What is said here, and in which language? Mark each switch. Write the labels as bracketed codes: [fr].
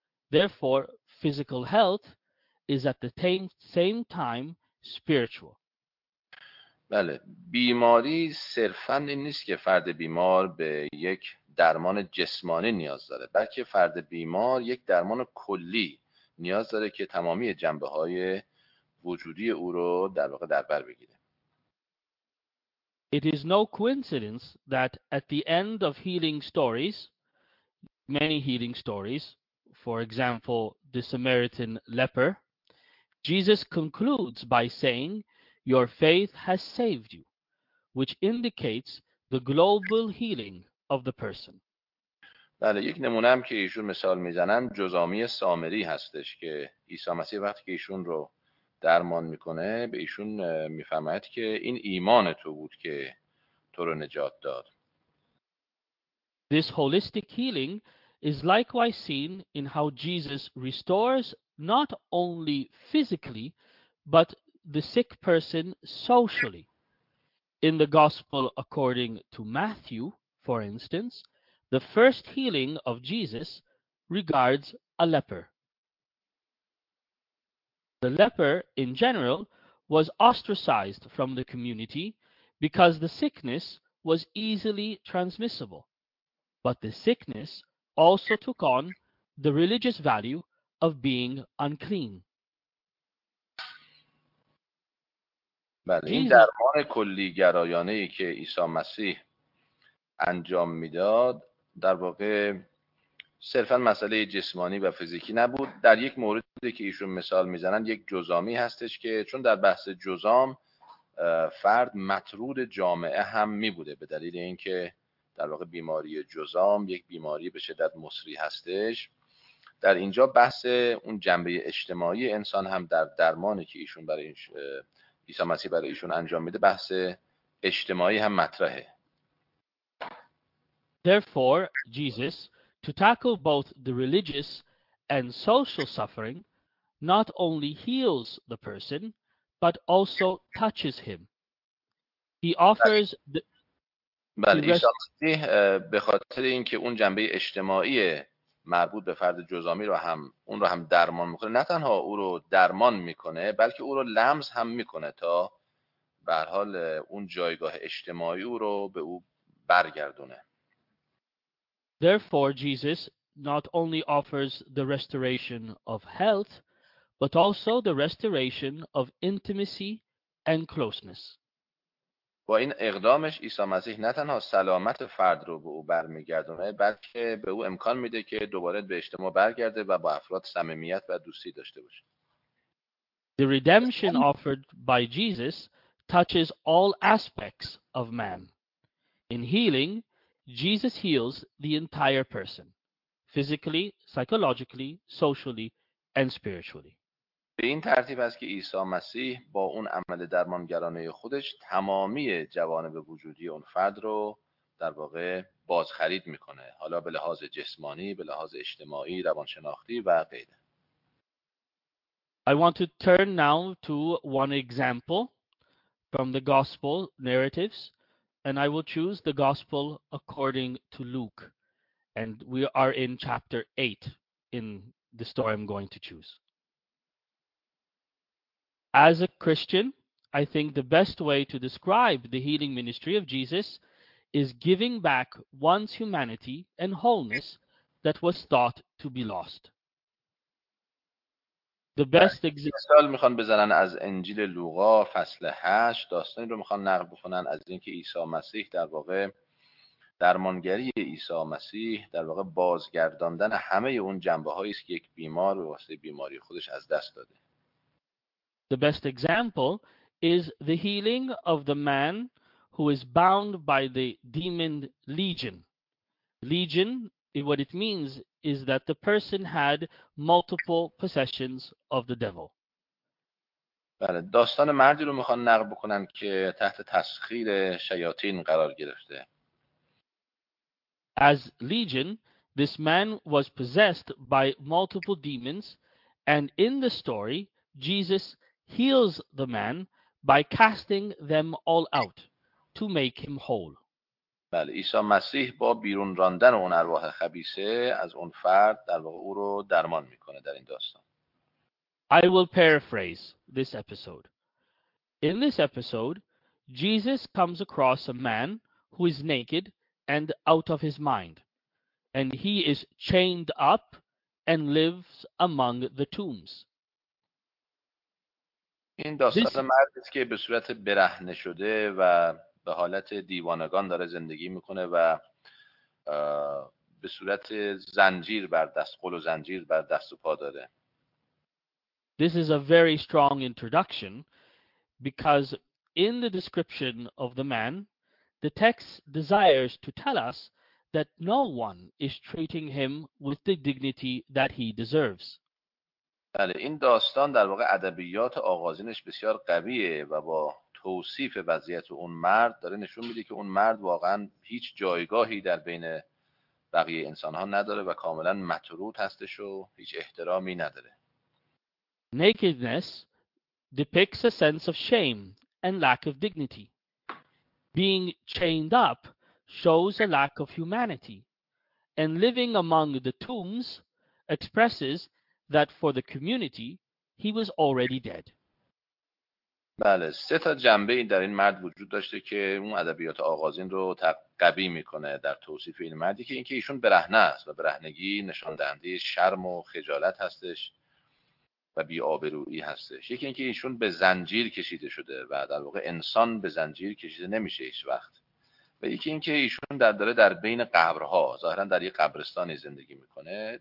[en] Therefore, physical health is at the same time spiritual. [fa] بله، بیماری صرفاً این نیست که فرد بیمار به یک درمان جسمانی نیاز داره، بلکه فرد بیمار یک درمان کلی نیاز داره که تمامی جنبه‌های وجودی او رو در واقع در بر بگیره. [en] It is no coincidence that at the end of healing stories, many healing stories, for example, the Samaritan leper, Jesus concludes by saying, "Your faith has saved you," which indicates the global healing of the person. [fa] بله، یک نمونه هم که ایشون مثال میزنن جزامی سامری هستش که عیسی مسیح وقتی که ایشون رو درمان میکنه به ایشون میفهمد که این ایمان تو بود که تو رو نجات داد. [en] This holistic healing is likewise seen in how Jesus restores not only physically, but the sick person socially. In the Gospel according to Matthew, for instance, the first healing of Jesus regards a leper. The leper, in general, was ostracized from the community because the sickness was easily transmissible. But the sickness also took on the religious value of being unclean. [fa] بله، این درمان کلی گرایانه ای که عیسی مسیح انجام میداد در واقع صرفا مسئله جسمانی و فیزیکی نبود. در یک موردی که ایشون مثال میزنن یک جزامی هستش که چون در بحث جزام فرد مطرود جامعه هم میبوده به دلیل اینکه در واقع بیماری جزام یک بیماری به شدت مصری هستش، در اینجا بحث اون جنبه اجتماعی انسان هم در درمانی که ایشون برای عیسی مسیح برای ایشون انجام میده بحث اجتماعی هم مطرحه. [en] Therefore, Jesus, to tackle both the religious and social suffering, not only heals the person, but also touches him. He offers the... [fa] بله، عیسی مسیح به خاطر اینکه اون جنبه اجتماعی مربوط به فرد جزامی رو هم اون رو هم درمان میکنه، نه تنها او رو درمان میکنه بلکه او رو لمس هم میکنه تا به هر حال اون جایگاه اجتماعی او رو به او برگردونه. [en] Therefore, Jesus not only offers the restoration of health, but also the restoration of intimacy and closeness. [fa] با این اقدامش عیسی مسیح نه تنها سلامت فرد رو به او برمیگردونه بلکه به او امکان میده که دوباره به اجتماع برگرده و با افراد صمیمیت و دوستی داشته باشه. [en] The redemption offered by Jesus touches all aspects of man. In healing, Jesus heals the entire person, physically, psychologically, socially, and spiritually. [fa] به این ترتیب است که عیسی مسیح با اون عمل درمانگرانه خودش تمامی جوانب وجودی اون فرد رو در واقع بازخرید میکنه. حالا به لحاظ جسمانی، به لحاظ اجتماعی، روانشناختی و غیره. [en] I want to turn now to one example from the gospel narratives. And I will choose the gospel according to Luke. And we are in chapter 8 in the story I'm going to choose. As a Christian, I think the best way to describe the healing ministry of Jesus is giving back one's humanity and wholeness that was thought to be lost. The best [fa] مثال میخوان بزنن از انجیل لوقا فصل 8، داستانی رو میخوان نقل بکنن از اینکه عیسی مسیح در واقع درمانگری عیسی مسیح در واقع بازگرداندن همه اون جنبه هایی است که یک بیمار به واسطه بیماری خودش از دست داده. [en] The best example is the healing of the man who is bound by the demon legion. Legion, what it means is that the person had multiple possessions of the devil. [fa] بله، داستان مردی رو میخوان نقل بکنن که تحت تسخیر شیاطین قرار گرفته. [en] As legion, this man was possessed by multiple demons, and in the story, Jesus heals the man by casting them all out to make him whole. [fa] بله، عیسی مسیح با بیرون راندن اون ارواح خبیثه از اون فرد در واقع او رو درمان میکنه در این داستان. [en] I will paraphrase this episode. In this episode, Jesus comes across a man who is naked and out of his mind, and he is chained up and lives among the tombs. [fa] این داستان مردی است که به صورت برهنه شده و به حالت دیوانگان داره زندگی میکنه و به صورت زنجیر بر دست، قل و زنجیر بر دست و پا داره. [en] This is a very strong introduction because in the description of the man, the text desires to tell us that no one is treating him with the dignity that he deserves. [fa] بله، این داستان در واقع ادبیات آغازینش بسیار قویه و با توصیف وضعیت اون مرد داره نشون میده که اون مرد واقعا هیچ جایگاهی در بین بقیه انسان‌ها نداره و کاملا مطرود هستش و هیچ احترامی نداره. [en] Nakedness depicts a sense of shame and lack of dignity. Being chained up shows a lack of humanity. And living among the tombs expresses that for the community he was already dead. [fa] بله، سه تا جنبه این در این مرد وجود داشته که اون ادبیات آغازین رو تقبیح میکنه در توصیف این مردی، که اینکه ایشون برهنه است و برهنگی نشان دهنده شرم و خجالت هستش و بی آبرویی هستش. یکی اینکه ایشون به زنجیر کشیده شده و در واقع انسان به زنجیر کشیده نمیشه هیچ وقت، و یکی اینکه ایشون در بین قبرها ظاهرا در یک قبرستانی زندگی میکنه.